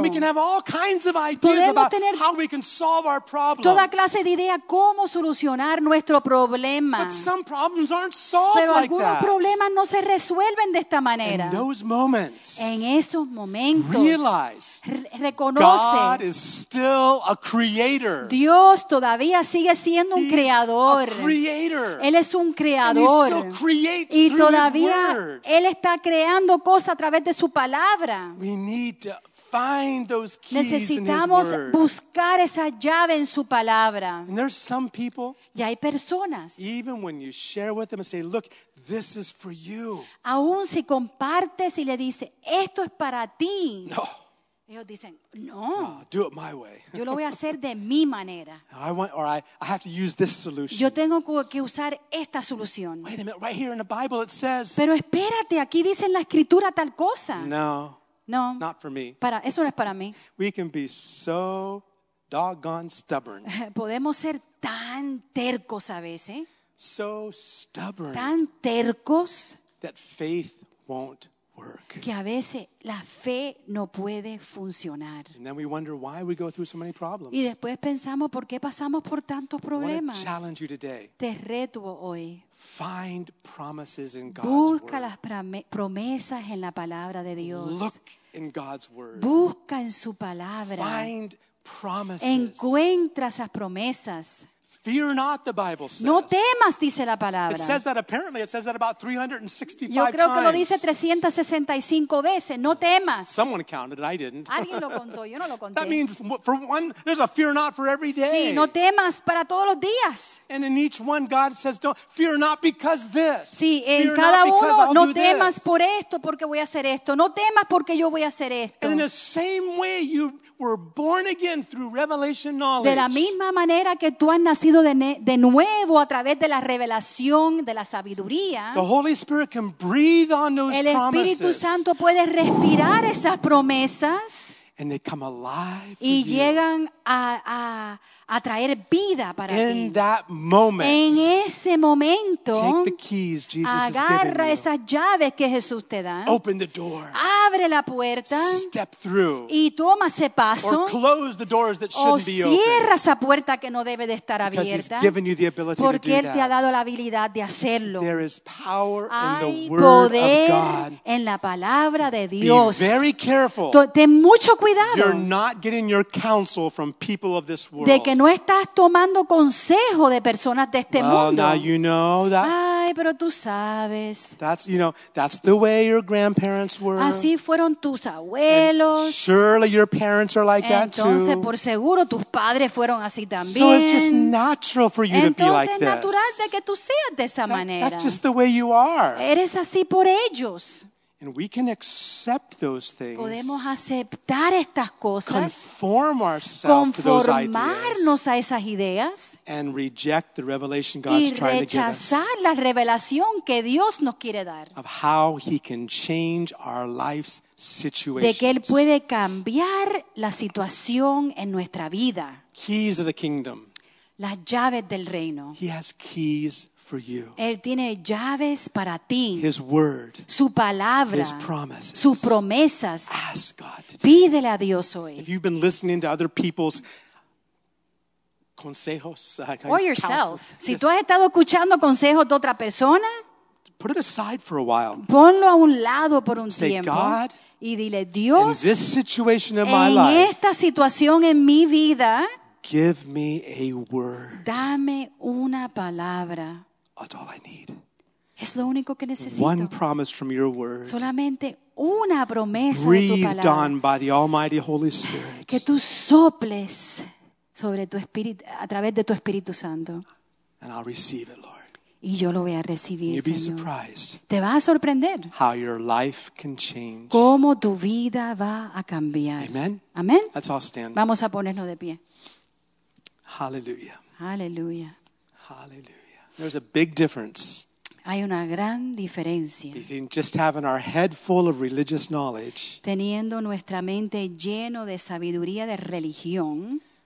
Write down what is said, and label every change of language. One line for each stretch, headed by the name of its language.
English: We can have all kinds of ideas
Spanish: podemos tener
English: about how we can solve our problems.
Spanish: Toda clase de idea cómo solucionar nuestro problema.
English: But some problems aren't solved
Spanish: Pero algunos
English: like that.
Spanish: Problemas no se resuelven de esta manera.
English: In those moments,
Spanish: en esos momentos
English: realize,
Spanish: reconoce
English: God is still a creator.
Spanish: Dios todavía sigue siendo un creador.
English: A creator.
Spanish: Él es un creador.
English: And he still creates
Spanish: y todavía
English: through his word.
Spanish: Él está creando cosas a través de su palabra.
English: We need to find those keys
Spanish: Necesitamos
English: in his word.
Spanish: Buscar esa llave en su palabra.
English: And there's some people,
Spanish: y hay personas
English: even when you share with them and say, look, this is for you.
Spanish: Aún si compartes y le dices, esto es para ti.
English: No.
Spanish: Ellos dicen, no.
English: No, do it my way.
Spanish: Yo lo voy a hacer de mi manera.
English: I have to use this solution.
Spanish: Yo tengo que usar esta solución.
English: Wait a minute, right here in the Bible it says.
Spanish: Pero espérate, aquí dice en la escritura tal cosa.
English: No.
Spanish: No.
English: Not for me.
Spanish: Para, eso no es para mí.
English: We can be so doggone stubborn.
Spanish: Podemos ser tan tercos a veces.
English: So stubborn,
Spanish: tan tercos,
English: that faith won't work.
Spanish: Que a veces la fe no puede funcionar.
English: And then we wonder why we go through so many problems.
Spanish: Y después pensamos por qué pasamos por tantos problemas.
English: I want to challenge you today.
Spanish: Te reto hoy.
English: Find promises in God's word.
Spanish: Busca las promesas en la palabra de Dios.
English: Look in God's word.
Spanish: Busca en su palabra.
English: Find promises.
Spanish: Encuentra esas promesas.
English: Fear not, the Bible says.
Spanish: No temas, dice la palabra.
English: It says that apparently. It says that about 365 times.
Spanish: Yo creo
English: times.
Spanish: Que lo dice 365 veces. No temas.
English: Someone counted it. I didn't.
Spanish: Alguien lo contó. Yo no lo conté.
English: That means for one, there's a fear not for every day.
Spanish: Sí, no temas para todos los días.
English: And in each one, God says, "Don't fear not because this."
Spanish: Sí, en
English: fear
Spanish: cada uno,
English: because I'll
Spanish: no
English: do
Spanish: temas
English: this.
Spanish: Por esto porque voy a hacer esto. No temas porque yo voy a hacer esto.
English: And in the same way you were born again through revelation knowledge.
Spanish: De la misma manera que tú has nacido de nuevo a través de la revelación de la sabiduría
English: the Holy Spirit can breathe on those
Spanish: el Espíritu
English: promises.
Spanish: Santo puede respirar esas promesas
English: and they come alive
Spanish: y llegan a, a traer vida para
English: in
Spanish: ti.
English: That moment,
Spanish: en ese momento,
English: take the keys Jesus
Spanish: agarra esas llaves que Jesús te da.
English: Open the door.
Spanish: Abre la puerta.
English: Step through.
Spanish: Y toma ese paso.
English: Or close the doors that shouldn't be open.
Spanish: O cierra esa puerta que no debe de estar abierta.
English: Because he's given you the ability to do
Spanish: porque él te
English: that.
Spanish: Ha dado la habilidad de hacerlo.
English: There is power
Spanish: hay
English: in the word
Spanish: poder
English: of God.
Spanish: En la palabra de Dios.
English: Be very careful.
Spanish: Ten mucho cuidado.
English: You're not getting your counsel from people of this world.
Spanish: De que no estás tomando consejo de personas de este
English: well,
Spanish: mundo.
English: Now you know that.
Spanish: Ay, pero tú sabes.
English: That's, you know, that's the way your grandparents were.
Spanish: Así fueron tus abuelos.
English: And surely your parents are like
Spanish: entonces,
English: that too.
Spanish: Entonces, por seguro, tus padres fueron así también.
English: So it's just natural for you
Spanish: entonces,
English: to be like this.
Spanish: Entonces, natural de que tú seas de esa that, manera.
English: That's just the way you are.
Spanish: Eres así por ellos.
English: And we can accept those things.
Spanish: Podemos aceptar estas cosas.
English: Conform ourselves
Spanish: conformarnos a esas ideas.
English: And reject the revelation God's trying to give us.
Spanish: Y rechazar la revelación que Dios nos quiere dar.
English: Of how he can change our life's situations.
Spanish: De que él puede cambiar la situación en nuestra vida.
English: Keys of the kingdom.
Spanish: Las llaves del reino.
English: He has keys for you.
Spanish: Él tiene llaves para ti.
English: His word.
Spanish: Su palabra.
English: His promises.
Spanish: Sus promesas.
English: Ask God today.
Spanish: Pídele a Dios hoy.
English: If you've been listening to other people's consejos, or yourself.
Spanish: Si tú has estado escuchando consejos de otra persona,
English: put it aside for a while.
Spanish: Ponlo a un lado por un
English: say,
Spanish: tiempo.
English: Say, God,
Spanish: y dile, Dios,
English: in this situation in my
Spanish: en
English: life,
Spanish: esta situación en mi vida,
English: give me a word.
Spanish: Dame una palabra.
English: That's all I need.
Spanish: Es lo único que necesito.
English: One promise from your word.
Spanish: Solamente una promesa
English: breathed
Spanish: de tu palabra.
English: On by the Almighty Holy Spirit.
Spanish: Que tú soples sobre tu espíritu, a través de tu Espíritu Santo.
English: And I'll receive it, Lord.
Spanish: Y yo lo voy a recibir,
English: you'll
Spanish: Señor.
English: Be surprised.
Spanish: Te va a sorprender.
English: How your life can change.
Spanish: Cómo tu vida va a cambiar. Amen. Amen.
English: Let's all stand.
Spanish: Vamos a ponernos de pie. Hallelujah. Hallelujah.
English: Hallelujah. There's a big difference.
Spanish: Hay una gran diferencia.
English: Between just having our head full of religious knowledge.
Spanish: Teniendo nuestra mente lleno de sabiduría de religión.